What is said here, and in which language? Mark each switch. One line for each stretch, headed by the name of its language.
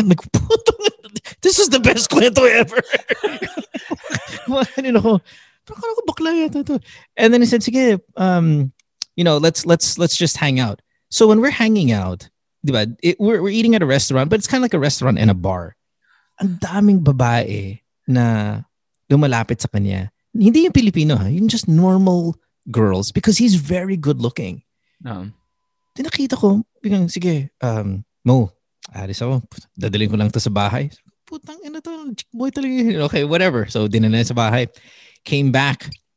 English: I'm like, puto, this is the best kwento ever.
Filipino: Ano ako, pero kala ko bakla yata ito.
English: And then he said, sige, you know, let's just hang out. So when we're hanging out, diba, we're eating at a restaurant, but it's kind of like a restaurant and a bar.
Filipino: Ang daming babae na lumalapit sa kanya. Hindi yung Pilipino, ha?
English: Yung just normal girls because he's very good looking.
Filipino: No. Di nakita ko, bigang, sige, Mo, aris ako, dadalhin ko lang to sa bahay. Putang ina to, chick boy talaga.
English: Okay, whatever.
Filipino: So, dinala sa bahay.
English: Came back.